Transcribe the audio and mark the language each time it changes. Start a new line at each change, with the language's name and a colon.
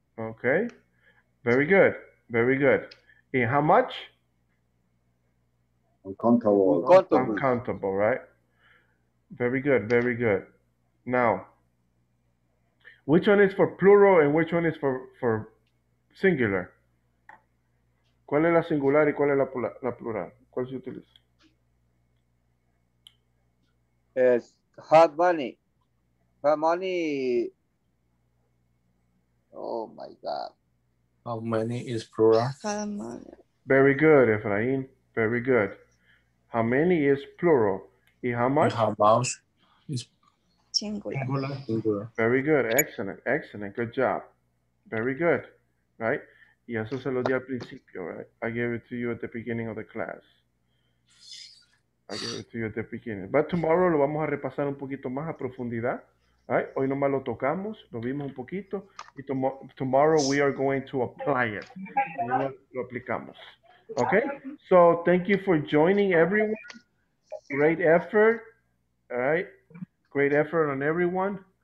English: Okay. Very good. Very good. And how much? Uncountable. Uncountable, right? Very good. Very good. Now, which one is for plural and which one is for singular?
Spanish: ¿Cuál es la singular y cuál es la plural? ¿Cuál se utiliza?
English: Es hard money. Hard money. Oh my God. How many is plural? Hard money. Very good, Efraín. Very good. How many is plural?
Spanish: ¿Y
English: how much? How much is singular. Very good. Excellent. Excellent. Good job. Very good. Right?
Spanish: Y eso se lo di al principio, right?
English: I gave it to you at the beginning of the class. I gave it to you at the beginning. But tomorrow
Spanish: lo vamos a repasar un poquito más a profundidad. Right? Hoy nomás lo tocamos, lo vimos un poquito.
English: Y tomorrow we are going to apply it.
Spanish: Lo aplicamos.
English: Okay? So thank you for joining everyone. Great effort. All right? Great effort on everyone.